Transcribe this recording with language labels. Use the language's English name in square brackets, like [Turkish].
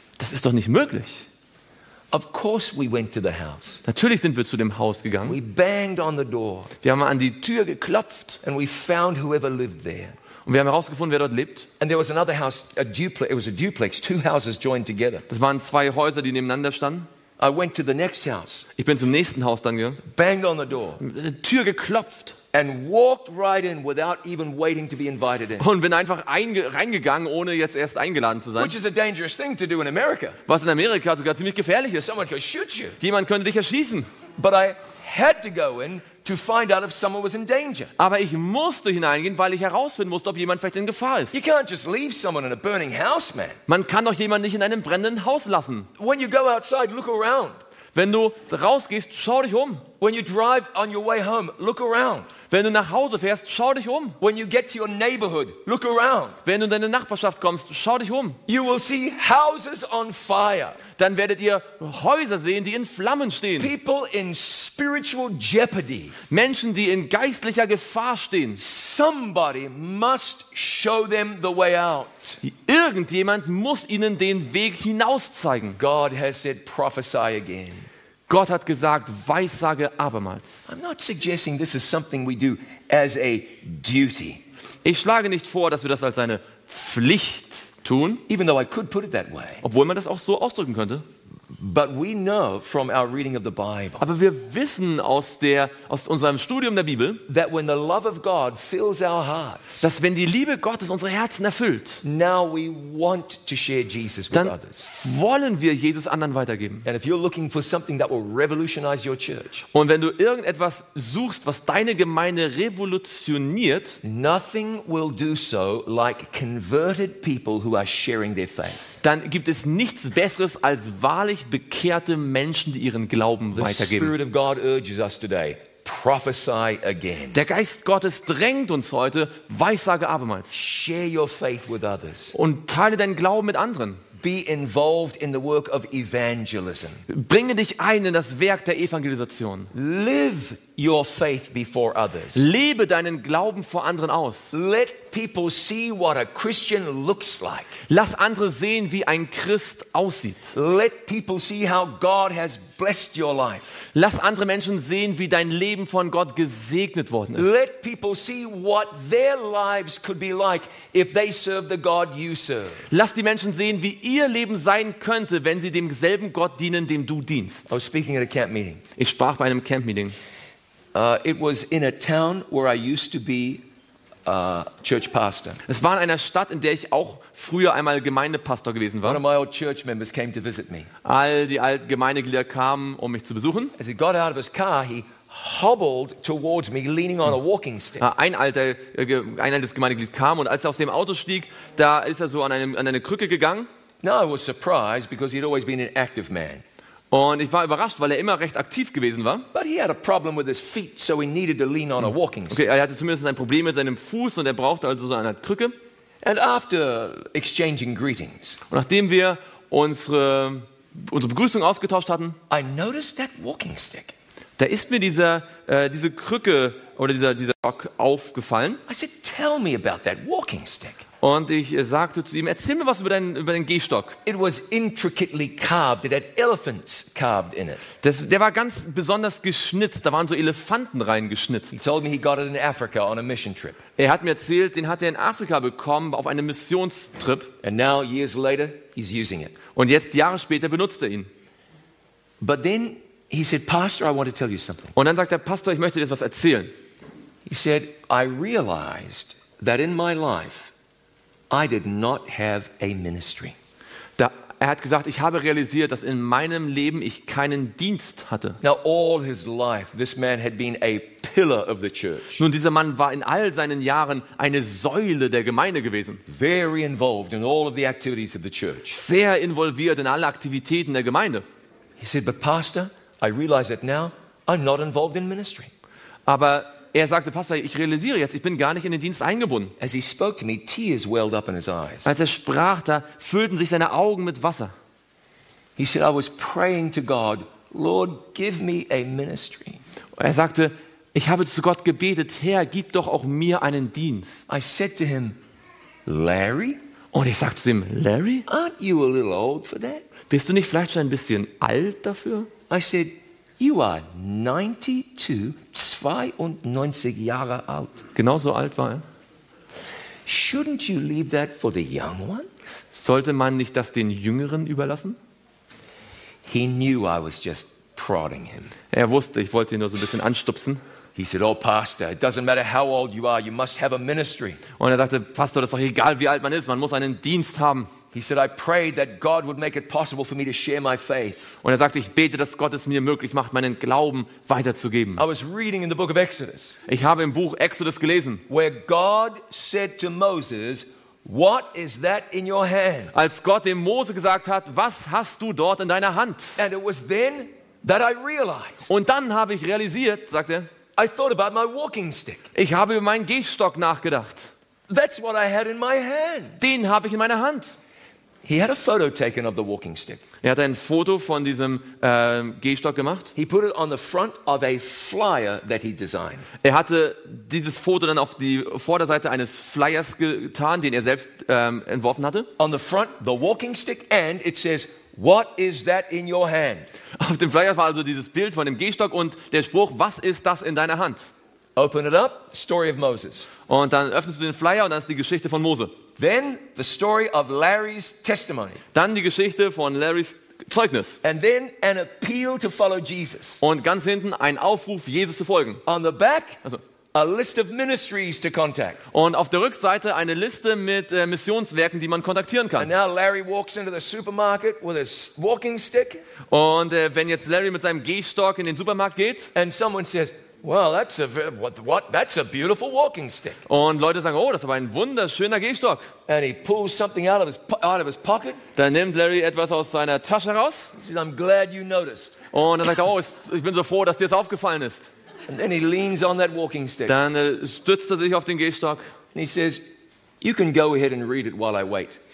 [German] Das ist doch nicht möglich. [English] Of course we went to the house. [German] Natürlich sind wir zu dem Haus gegangen. [English] We banged on the door. [German] Wir haben an die Tür geklopft. [English] And we found whoever lived there. [German] Und wir haben herausgefunden, wer dort lebt. [English] And there was another house, a duplex. It was a duplex, two houses joined together. [German] Das waren zwei Häuser, die nebeneinander standen. [English] I went to the next house. [German] Ich bin zum nächsten Haus dann gegangen. [English] Banged on the door. [German] Die Tür geklopft. [English] And walked right in without even waiting to be invited in. [German] Und bin einfach reingegangen, ohne jetzt erst eingeladen zu sein. [English] Which is a dangerous thing to do in America. [German] Was in Amerika sogar ziemlich gefährlich ist. [English] Someone could shoot you. [German] Jemand könnte dich erschießen. [English] But I had to go in to find out if someone was in danger. [German] Aber ich musste hineingehen, weil ich herausfinden musste, ob jemand vielleicht in Gefahr ist. [English] You can't just leave someone in a burning house, man. [German] Man kann doch jemanden nicht in einem brennenden Haus lassen. [English] When you go outside, look around. [German] Wenn du rausgehst, schau dich um. [English] When you drive on your way home, look around. [German] Wenn du nach Hause fährst, schau dich um. [English] When you get to your neighborhood, look around. [German] Wenn du in deine Nachbarschaft kommst, schau dich um. [English] You will see houses on fire. [German] Dann werdet ihr Häuser sehen, die in Flammen stehen. [English] People in spiritual jeopardy. [German] Menschen, die in geistlicher Gefahr stehen. [English] Somebody must show them the way out. [German] Irgendjemand muss ihnen den Weg hinaus zeigen. [English] God has said, prophesy again. [German] Gott hat gesagt, weissage abermals. [English] I'm not suggesting this is something we do as a duty. [German] Ich schlage nicht vor, dass wir das als eine Pflicht tun, [English] even though I could put it that way. [German] Obwohl man das auch so ausdrücken könnte. [English] But we know from our reading of the Bible. [German] Aber wir wissen aus unserem Studium der Bibel, [English] that when the love of God fills our hearts, [German] dass wenn die Liebe Gottes unsere Herzen erfüllt, [English] now we want to share Jesus with others. [German] Dann wollen wir Jesus anderen weitergeben. [English] And if you're looking for something that will revolutionize your church, [German] und wenn du irgendetwas suchst, was deine Gemeinde revolutioniert, [English] nothing will do so like converted people who are sharing their faith. [German] Dann gibt es nichts Besseres als wahrlich bekehrte Menschen, die ihren Glauben weitergeben. [English] The Spirit of God urges us today, prophesy again. [German] Der Geist Gottes drängt uns heute, weissage abermals. [English] Share your faith with others. [German] Und teile deinen Glauben mit anderen. [English] Be involved in the work of evangelism. [German] Bringe dich ein in das Werk der Evangelisation. [English] Live your faith before others. [German] Lebe deinen Glauben vor anderen aus. [English] Let people see what a Christian looks like. [German] Lass andere sehen, wie ein Christ aussieht. [English] Let people see how God has blessed your life. [German] Lass andere Menschen sehen, wie dein Leben von Gott gesegnet worden ist. [English] Let people see what their lives could be like if they serve the God you serve. [German] Lass die Menschen sehen, wie ihr Leben sein könnte, wenn sie demselben Gott dienen, dem du dienst. [English] I was speaking at a camp meeting. [German] Ich sprach bei einem Camp Meeting. [English] It was in a town where I used to be church pastor. [German] Es war in einer Stadt, in der ich auch früher einmal Gemeindepastor gewesen war. [English] One of my old church members came to visit me. [German] All die alten Gemeindeglieder kamen, um mich zu besuchen. [English] As he got out of his car, he hobbled towards me, leaning on a walking stick. [German] Ein altes Gemeindeglied kam und als er aus dem Auto stieg, da ist er so an eine Krücke gegangen. [English] Now I was surprised because he'd always been an active man. [German] Und ich war überrascht, weil er immer recht aktiv gewesen war. [English] But he had a problem with his feet, so he needed to lean on a walking stick. [German] Okay, er hatte zumindest ein Problem mit seinem Fuß und er brauchte also so eine Krücke. [English] And after exchanging greetings, [German] und nachdem wir unsere Begrüßung ausgetauscht hatten, [English] I noticed that walking stick. [German] Da ist mir diese Krücke oder dieser Stock aufgefallen. [English] I said, tell me about that walking stick. [German] Und ich sagte zu ihm, erzähl mir was über deinen Gehstock. [English] It was intricately carved. It had elephants carved in it. [German] Der war ganz besonders geschnitzt. Da waren so Elefanten reingeschnitzt. [English] He told me he got it in Africa on a mission trip. [German] Er hat mir erzählt, den hat er in Afrika bekommen auf einem Missionstrip. [English] And now years later, he's using it. [German] Und jetzt Jahre später benutzt er ihn. [English] But then he said, Pastor, I want to tell you something. [German] Und dann sagt der Pastor, ich möchte dir etwas erzählen. [English] He said, I realized that in my life I did not have a ministry. [German] Er hat gesagt, ich habe realisiert, dass in meinem Leben ich keinen Dienst hatte. [English] Now all his life this man had been a pillar of the church. [German] Nun, dieser Mann war in all seinen Jahren eine Säule der Gemeinde gewesen. [English] Very involved in all of the activities of the church. [German] Sehr involviert in alle Aktivitäten der Gemeinde. [English] He said, but Pastor, I realize that now I'm not involved in ministry. [German] Aber er sagte, Pastor, ich realisiere jetzt, ich bin gar nicht in den Dienst eingebunden. [English] As he spoke to me, tears welled up in his eyes. [German] Als er sprach, da füllten sich seine Augen mit Wasser. [English] He said, I was praying to God, Lord, give me a ministry. [German] Er sagte, ich habe zu Gott gebetet, Herr, gib doch auch mir einen Dienst. [English] I said to him, Larry? [German] Und ich sagte zu ihm, Larry? [English] Aren't you a little old for that? [German] Bist du nicht vielleicht schon ein bisschen alt dafür? [English] I said, you are 92 [German] Jahre alt. Genauso alt war er. [English] Shouldn't you leave that for the young ones? [German] Sollte man nicht das den Jüngeren überlassen? [English] He knew I was just prodding him. [German] Er wusste, ich wollte ihn nur so ein bisschen anstupsen. [English] He said, "Oh, Pastor, it doesn't matter how old you are. You must have a ministry." [German] Und er sagte, Pastor, das ist doch egal, wie alt man ist. Man muss einen Dienst haben. [English] He said, "I prayed that God would make it possible for me to share my faith." [German] Und er sagte, ich bete, dass Gott es mir möglich macht, meinen Glauben weiterzugeben. [English] I was reading in the book of Exodus. [German] Ich habe im Buch Exodus gelesen, [English] where God said to Moses, "What is that in your hand?" [German] Als Gott dem Mose gesagt hat, was hast du dort in deiner Hand? [English] And it was then that I realized. [German] Und dann habe ich realisiert, sagte er. [English] I thought about my walking stick. [German] Ich habe über meinen Gehstock nachgedacht. [English] That's what I had in my hand. [German] Den habe ich in meiner Hand. [English] He had a photo taken of the walking stick. [German] Er hat ein Foto von diesem Gehstock gemacht. [English] He put it on the front of a flyer that he designed. [German] Er hatte dieses Foto dann auf die Vorderseite eines Flyers getan, den er selbst entworfen hatte. [English] On the front, the walking stick, and it says, "What is that in your hand?" [German] Auf dem Flyer war also dieses Bild von dem Gehstock und der Spruch, was ist das in deiner Hand? [English] Open it up, story of Moses. [German] Und dann öffnest du den Flyer und dann ist die Geschichte von Mose. [English] Then the story of Larry's testimony. [German] Dann die Geschichte von Larrys Zeugnis. [English] And then an appeal to follow Jesus. [German] Und ganz hinten ein Aufruf, Jesus zu folgen. [English] On the back, also a list of ministries to contact. [German] Und auf der Rückseite eine Liste mit Missionswerken, die man kontaktieren kann. [English] And now Larry walks into the supermarket with his walking stick. [German] Und wenn jetzt Larry mit seinem Gehstock in den Supermarkt geht, [English] and someone says, "Well, that's a beautiful walking stick." [German] Und Leute sagen, oh, das ist aber ein wunderschöner Gehstock. [English] And he pulls something out of his pocket. [German] Dann nimmt Larry etwas aus seiner Tasche raus. [English] He says, "I'm glad you noticed." [German] Und er sagt, oh, ich bin so froh, dass dir das aufgefallen ist. [English] And then he leans on that walking stick. [German] Dann stützt er sich auf den Gehstock. [English] And he says, "You can go ahead and read it while I wait."